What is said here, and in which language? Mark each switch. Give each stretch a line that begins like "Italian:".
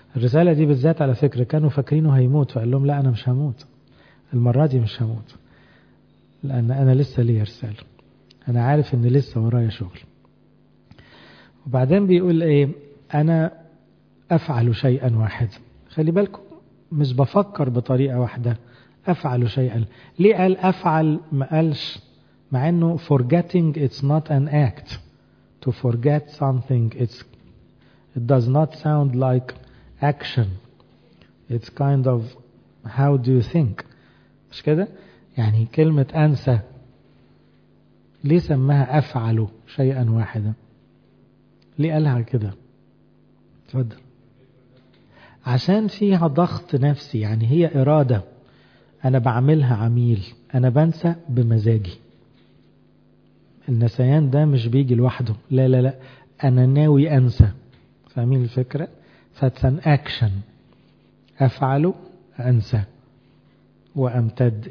Arabic: الرسالة دي بالذات على فكرة كانوا فاكرينه هيموت، فقال لهم لا أنا مش هموت المرة دي، مش هموت، لأن أنا لسه لي رسالة، أنا عارف إن لسه ورايا شغل. وبعدين بيقول إيه؟ أنا أفعل شيئا واحدا، خلي بالكم مش بفكر بطريقة واحدة، أفعل شيئا. ليه قال أفعل ما قالش؟ مع إنه
English: forgetting it's not an act، to forget something it's it does not sound like action، it's kind of how do you think،
Arabic: مش كده؟ يعني كلمة أنسى ليه سماها أفعل شيئا واحدا؟ ليه قالها كده؟ تفضل. عشان فيها ضغط نفسي، يعني هي إرادة أنا بعملها عميل، أنا بنسى بمزاجي، النسيان ده مش بيجي لوحده، لا لا لا أنا ناوي أنسى، فاهمين الفكرة؟
English: فاتس an action,
Arabic: أفعل أنسى وأمتد.